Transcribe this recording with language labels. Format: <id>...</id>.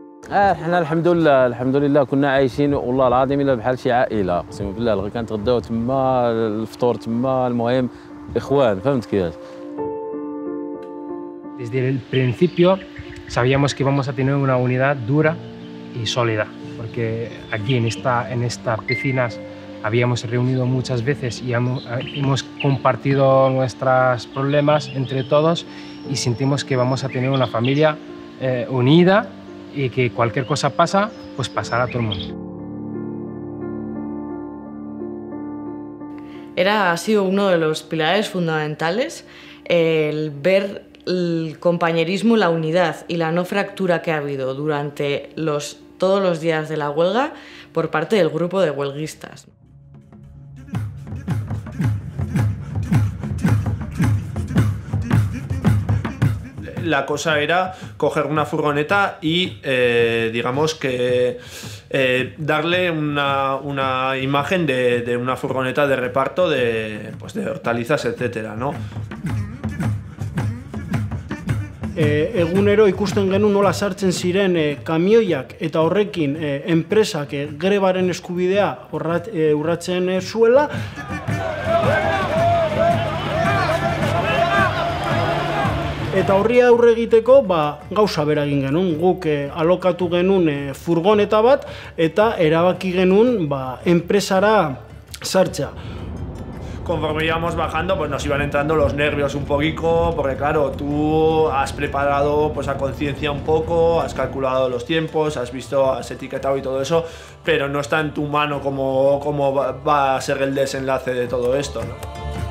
<ar>احنا الحمد لله كنا عايشين والله العظيم الا بحال شي عائله اقسم بالله الغدا كنتغداو تما الفطور تما المهم اخوان فهمت كيفاش</ar> <es>desde el principio sabíamos que íbamos a tener una unidad dura y sólida porque aquí en estas piscinas habíamos reunido muchas veces y hemos compartido nuestros problemas entre todos y sentimos que vamos a tener una familia unida y que cualquier cosa pasa, pues pasará a todo el mundo. Ha sido uno de los pilares fundamentales el ver el compañerismo, la unidad y la no fractura que ha habido durante todos los días de la huelga por parte del grupo de huelguistas. La cosa era coger una furgoneta y, digamos, que darle una imagen de una furgoneta de reparto de hortalizas, etcétera, ¿no?</es> <eu>Egunero ikusten genuen nola sartzen ziren kamioiak eta horrekin enpresak grebaren eskubidea urratzen zuela. Eta horri aurre egiteko, gauza bera egin genuen, guk alokatu genuen furgoneta bat, eta erabaki genuen enpresara sartzea.</eu> <es>conforme íbamos bajando, pues nos iban entrando los nervios un poquito, porque claro, tú has preparado pues a conciencia un poco, has calculado los tiempos, has visto, has etiquetado y todo eso, pero no está en tu mano cómo va a ser el desenlace de todo esto, ¿no?</es>